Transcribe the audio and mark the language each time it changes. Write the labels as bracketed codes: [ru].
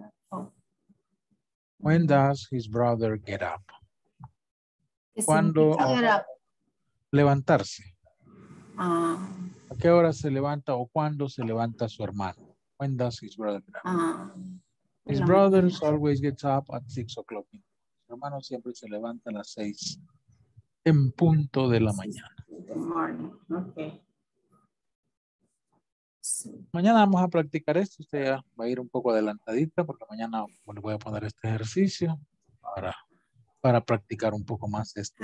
[en] Oh. When does his brother get up? Cuando. Levantarse. Ah. [es] ¿A qué hora se levanta o cuándo se levanta su hermano? [en] When does his brother get up? Ah. His brother always gets up at 6 o'clock in the [es] hermano siempre se levanta a las 6 en punto de la mañana. [en] Okay. [es] Mañana vamos a practicar esto. Usted ya va a ir un poco adelantadita porque mañana le voy a poner este ejercicio para practicar un poco más esto.